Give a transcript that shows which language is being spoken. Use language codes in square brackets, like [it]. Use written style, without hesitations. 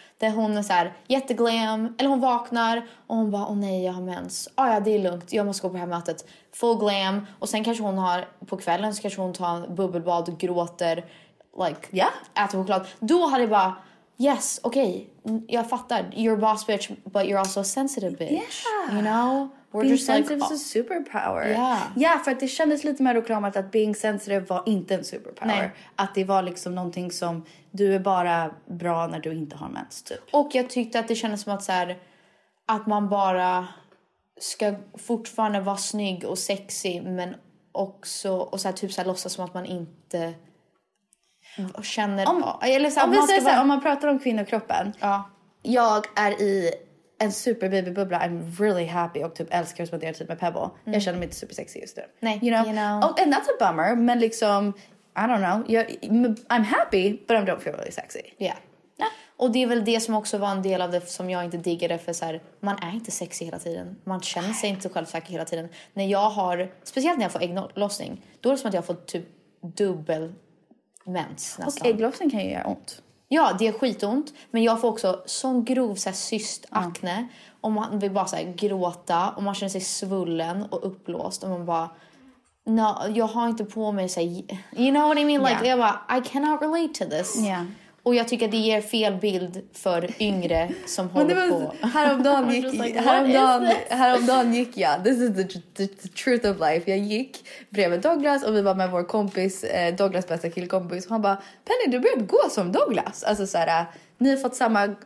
[sv] Där hon är såhär jätteglam. Eller hon vaknar och hon bara, åh nej, jag har mens. Ja, det är lugnt. Jag måste gå på det här mötet. Full glam. Och sen kanske hon har, på kvällen så kanske hon tar en bubbelbad och gråter. Like, äter choklad. Då hade jag bara, yes, okej. Okay, jag fattar. [en] You're a boss bitch, but you're also a sensitive bitch. Yeah. You know? We're being just sensitive like, is a superpower. Yeah. [sv] Yeah, för att det kändes lite mer reklamat att [en] being sensitive [sv] var inte en superpower. Nej. Att det var liksom någonting som du är bara bra när du inte har mens, typ. Och jag tyckte att det kändes som att så här, att man bara ska fortfarande vara snygg och sexy, men också, och så här, typ så här, låtsas som att man inte känner... Om man pratar om kvinnokroppen. Ja. Jag är i... En super baby bubbla. [en] I'm really happy [sv] och typ älskar att spendera tid med Pebble. Mm. Jag känner mig inte super sexy just nu. [en] Nej, you know. Oh, and that's a bummer, [sv] men liksom, [en] I don't know. I'm happy, but I don't feel really sexy. Yeah. Nah. [sv] Och det är väl det som också var en del av det som jag inte diggade, för så här, man är inte sexy hela tiden. Man känner sig inte självsäker hela tiden. När jag har, speciellt när jag får ägglossning, då är det som att jag har fått typ dubbel mens nästan. Och ägglossning kan ju göra ont. Ja, det är skitont. Men jag får också sån grov så här, cystakne. Mm. Och man vill bara så här, gråta. Och man känner sig svullen och upplåst. Och man bara... No, jag har inte på mig så här, [en] you know what I mean? Like, yeah. [sv] Jag bara, [en] I cannot relate to this. Yeah. [sv] Och jag tycker att det ger fel bild för yngre som håller på. Häromdagen gick jag. [en] This is the truth of life. [sv] Jag gick bredvid Douglas och vi var med vår kompis, Douglas bästa killkompis. Och han bara, Penny, du började gå som Douglas. Alltså så här, ni har fått samma